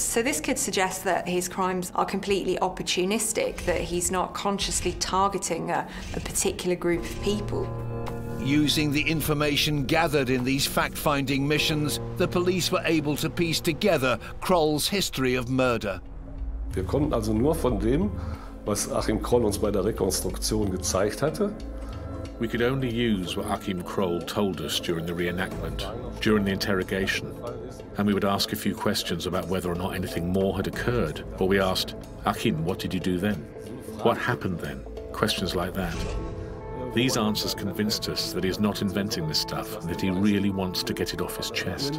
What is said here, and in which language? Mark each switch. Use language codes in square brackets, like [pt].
[en] So this could suggest that his crimes are completely opportunistic, that he's not consciously targeting a particular group of people. Using the information gathered in these fact-finding missions, the police were able to piece together Kroll's history of murder. [de] Wir konnten also nur von dem, was Achim Kroll uns bei der Rekonstruktion gezeigt hatte. [en] We could only use what Achim Kroll told us during the reenactment, during the interrogation. And we would ask a few questions about whether or not anything more had occurred. Or we asked, Achim, what did you do then? What happened then? Questions like that. These answers convinced us that he is not inventing this stuff, and that he really wants to get it off his chest.